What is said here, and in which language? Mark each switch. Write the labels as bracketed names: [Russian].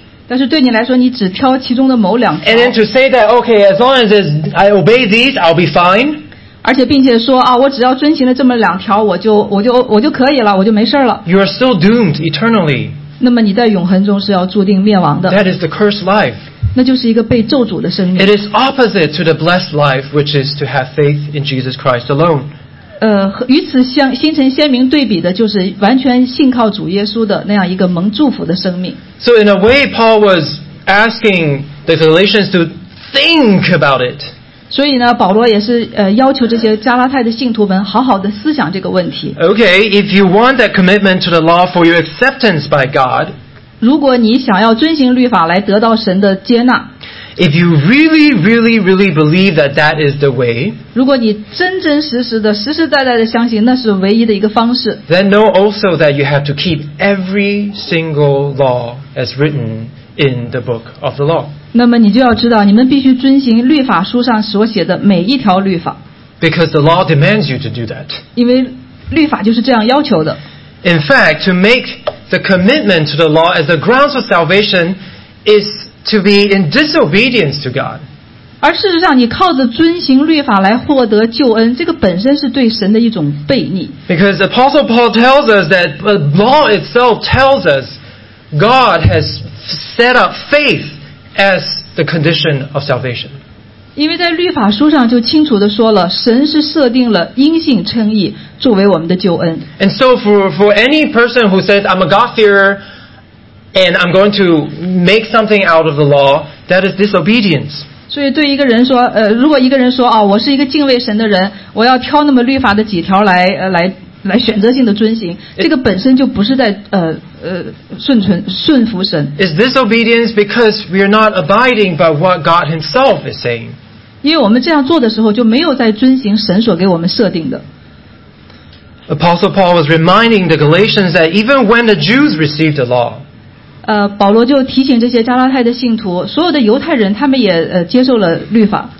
[Chinese] 但是对你来说，你只挑其中的某两条。 [English] And then to say that, okay, as long as I obey these, I'll be fine. [Chinese] 而且并且说啊，我只要遵行了这么两条，我就可以了，我就没事了。 [English] You are still doomed eternally. [Chinese] 那么你在永恒中是要注定灭亡的。 [English] That is the cursed life. [Chinese] 那就是一个被咒诅的生命。 [English] It is opposite to the blessed life, which is to have faith in Jesus Christ alone. [Chinese] 与此形成鲜明对比的就是完全信靠主耶稣的那样一个蒙祝福的生命。 [English] So in a way, Paul was asking the Galatians to think about it. [Chinese] 所以呢，保罗也是要求这些加拉太的信徒们好好的思想这个问题。 [English] Okay, if you want that commitment to the law for your acceptance by God, [Chinese] 如果你想要遵行律法来得到神的接纳 [English] ，if you really, really, really believe that that is the way, [Chinese] 如果你真真实实的、实实在在的相信那是唯一的一个方式 [English] ，then know also that you have to keep every single law as written in the book of the law. [Chinese] 那么你就要知道，你们必须遵行律法书上所写的每一条律法。 [English] Because the law demands you to do that. [Chinese] 因为律法就是这样要求的。 [English] In fact, to make the commitment to the law as the grounds of salvation is to be in disobedience to God. [Chinese] 而事实上，你靠着遵行律法来获得救恩，这个本身是对神的一种悖逆。 [English] Because Apostle Paul tells us that the law itself tells us God has set up faith. As the condition of salvation, [Chinese] 因为在律法书上就清楚地说了，神是设定了因信称义作为我们的救恩。 [English] And so for any person who says I'm a God-fearer and I'm going to make something out of the law, that is disobedience. [Chinese] 所以对一个人说，如果一个人说啊，我是一个敬畏神的人，我要挑那么律法的几条来选择性的遵行，这个本身就不是在顺服神。 [English] Is disobedience because we are not abiding by what God Himself is saying? [Chinese] 因为我们这样做的时候，就没有在遵行神所给我们设定的。 [English] Apostle Paul was reminding the Galatians that even when the Jews received the law, [Chinese] 保罗就提醒这些加拉太的信徒，所有的犹太人他们也接受了律法。